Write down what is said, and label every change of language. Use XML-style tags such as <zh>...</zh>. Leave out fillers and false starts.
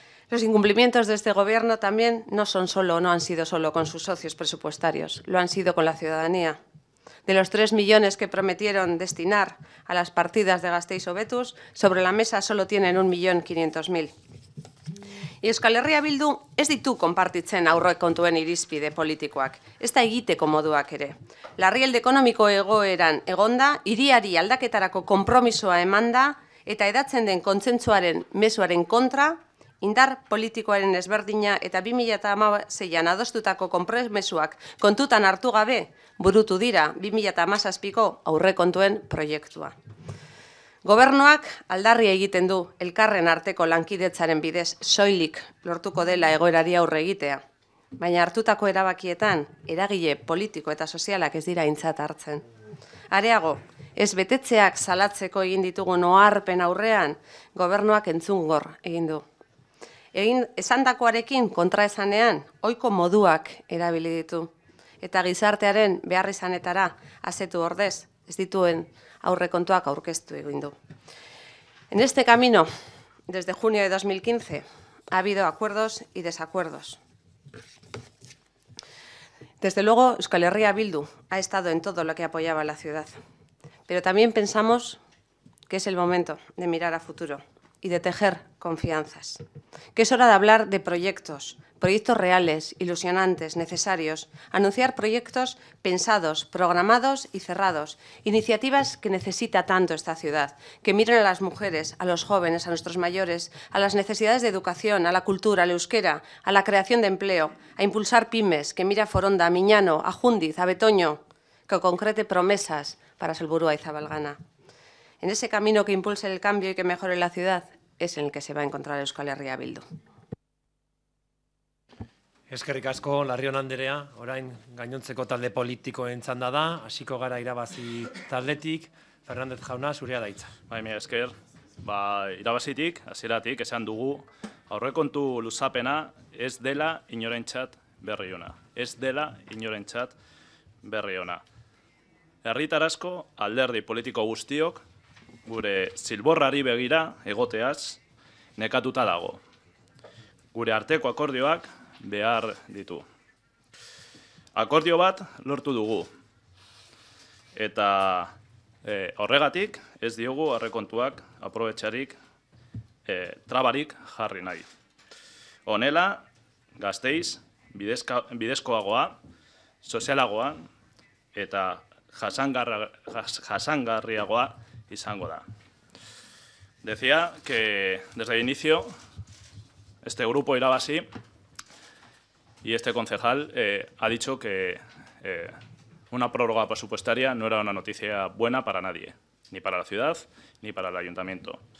<es>Los incumplimientos de este Gobierno también no han sido solo con sus socios presupuestarios, lo han sido con la ciudadanía. De los 3 millones que prometieron destinar a las partidas de Gasteiz o Betus, sobre la mesa solo tienen 1.500.000.</es> <eu>Y Euskal Herria Bildu ez ditu konpartitzen aurrekontuen irizpide politikoak, ez da egiteko moduak ere. Larrialdi ekonomiko egoeran egonda, hiriari aldaketarako konpromisoa emanda eta hedatzen den kontzentzuaren mezuaren kontra, indar politikoaren ezberdina eta 2016an adostutako konpromisoak kontutan hartu gabe burutu dira 2017ko aurrekontuen proiektua. Gobernuak aldarria egiten du elkarren arteko lankidetzaren bidez soilik lortuko dela egoerari aurre egitea, baina hartutako erabakietan eragile politiko eta sozialak ez dira aintzat hartzen. Areago, ez betetzeak salatzeko egin ditugun oharpen aurrean, gobernuak entzungor egin du. Esandakoarekin kontraesanean, ohiko moduak erabili ditu, eta gizartearen beharrizanetara azetu ordez, ez dituen aurrekontuak aurkeztu egin du.</eu> <es>En este camino, desde junio de 2015, ha habido acuerdos y desacuerdos. Desde luego, Euskal Herria Bildu ha estado en todo lo que apoyaba la ciudad. Pero también pensamos que es el momento de mirar a futuro y de tejer confianzas. Que es hora de hablar de proyectos. Proyectos reales, ilusionantes, necesarios, anunciar proyectos pensados, programados y cerrados, iniciativas que necesita tanto esta ciudad, que miren a las mujeres, a los jóvenes, a nuestros mayores, a las necesidades de educación, a la cultura, al euskera, a la creación de empleo, a impulsar pymes, que mire a Foronda, a Miñano, a Jundiz, a Betoño, que concrete promesas para Salburúa y Zabalgana. En ese camino que impulse el cambio y que mejore la ciudad es en el que se va a encontrar Euskal Herria Bildu.</es> <eu>Eskerrik asko, Larrion Anderea, orain gainontzeko talde politikoen txanda da, hasiko gara Irabazi taldetik, Fernandez Jauna, zurea da hitza. Bai, mi esker, ba, Irabazitik, hasieratik, esan dugu, aurrekontu luzapena ez dela inorentzat berri ona. Ez dela inorentzat berri ona. Herritar asko, alderdi politiko guztiok, gure zilborrari begira, egoteaz, nekatuta dago. Gure arteko akordioak, behar ditu. Akordio bat lortu dugu. Eta horregatik ez diogu aurrekontuak aprobetxarik trabarik jarri nahi. Honela, Gasteiz bidezkoagoa, sozialagoa eta jasangarriagoa izango da.</eu> <es>Decía que desde el inicio este grupo irabazi y este concejal ha dicho que una prórroga presupuestaria no era una noticia buena para nadie, ni para la ciudad ni para el ayuntamiento.</es>